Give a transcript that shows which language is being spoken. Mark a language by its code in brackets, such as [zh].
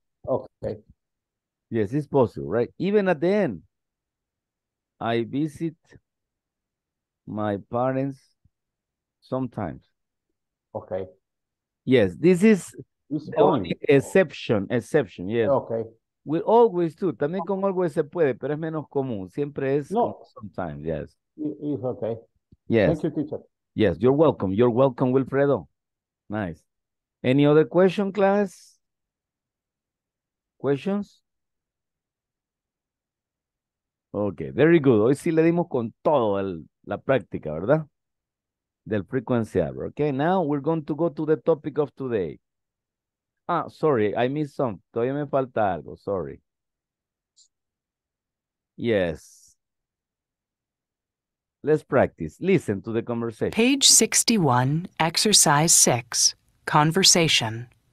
[en] Okay. Yes, it's possible, right? Even at the end. I visit my parents sometimes. Okay. Yes, this is the only exception, exception, yes. Okay. We always do, [es] también con always se puede, pero es menos común, siempre es no. [en] Sometimes, yes. It's okay. Yes. Thank you, teacher. Yes, you're welcome, Wilfredo. Nice. Any other question, class? Questions? Okay, very good. [es] Hoy sí le dimos con todo el, la práctica, ¿verdad? [en] Del frequency hour. Okay, now we're going to go to the topic of today. Ah, sorry, I missed some. [es] Todavía me falta algo, [en] sorry. Yes. Let's practice. Listen to the conversation. Page 61, exercise 6, conversation.